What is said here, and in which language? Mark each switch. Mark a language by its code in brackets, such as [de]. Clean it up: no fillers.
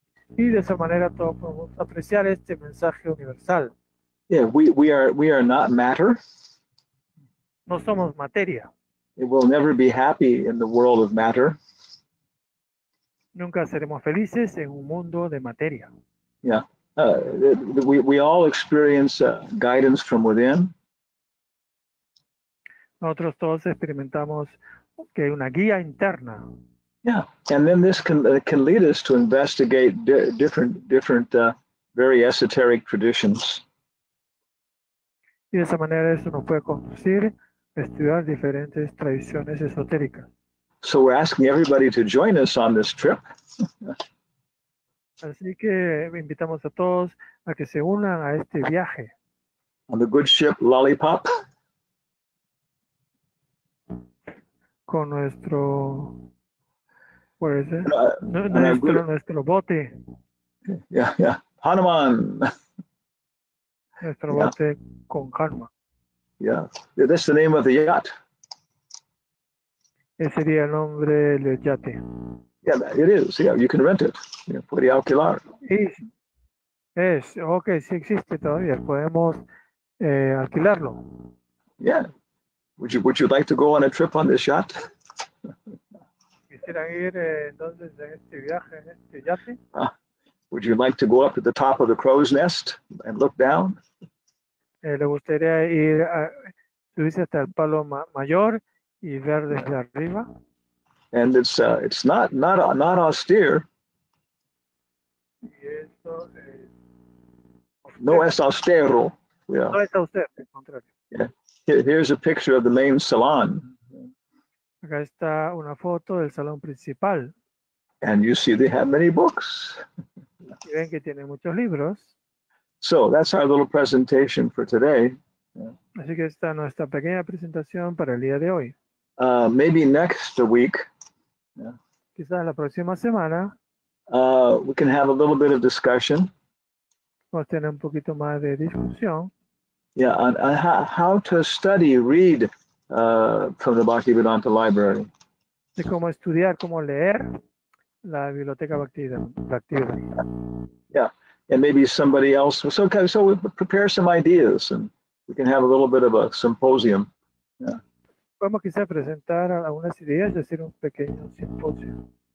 [es] Y de esa manera todos podemos apreciar este mensaje universal. [en] Yeah, we are not matter. [es] No somos materia. [en] It will never be happy in the world of matter. [es] Nunca seremos felices en un mundo de materia. [en] Yeah, we all experience guidance from within. [es] Nosotros todos experimentamos que hay una guía interna. [en] Yeah, and then this can lead us to investigate different very esoteric traditions. [es] Y de esa manera eso nos puede conducir a estudiar diferentes tradiciones esotéricas. [en] So we're asking everybody to join us on this trip. [es] Así que invitamos a todos a que se unan a este viaje. [en] On the good ship Lollipop. [es] Con nuestro... ¿Cuál es? Nuestro bote. [en] Yeah. Hanuman. [es] Nuestro bote con karma. [en] Yeah, that's the name of the yacht. [es] Ese sería el nombre del yate. [en] Yeah, it is. Yeah, you can rent it. Yeah, [es] podría alquilar. Es, ok, sí existe todavía. Podemos alquilarlo. [en] Yeah. Would you like to go on a trip on this yacht? [es] Quisiera ir entonces en este viaje, en este yate. [en] Would you like to go up to the top of the crow's nest and look down? [es] ¿Le gustaría ir a subirse hasta el palo mayor y ver desde arriba? [en] And it's not austere. [es] Y esto es... No es austero. Yeah. No es austero, al contrario. [en] Yeah. Here's a picture of the main salon. [es] Acá está una foto del salón principal. [en] And you see they have many books. [es] Y ven que tiene muchos libros. [en] So that's our little presentation for today. [es] Así que esta es nuestra pequeña presentación para el día de hoy. [en] Maybe next week. [es] Quizás la próxima semana. [en] We can have a little bit of discussion. [es] Vamos a tener un poquito más de discusión. [en] How to study, read from the Bhaktivedanta library. [es] De cómo estudiar, cómo leer la biblioteca Bhaktivedanta. [en] Yeah, and maybe somebody else. So we prepare some ideas and we can have a little bit of a symposium. [es] Podemos quizá presentar algunas ideas y hacer un pequeño simposio.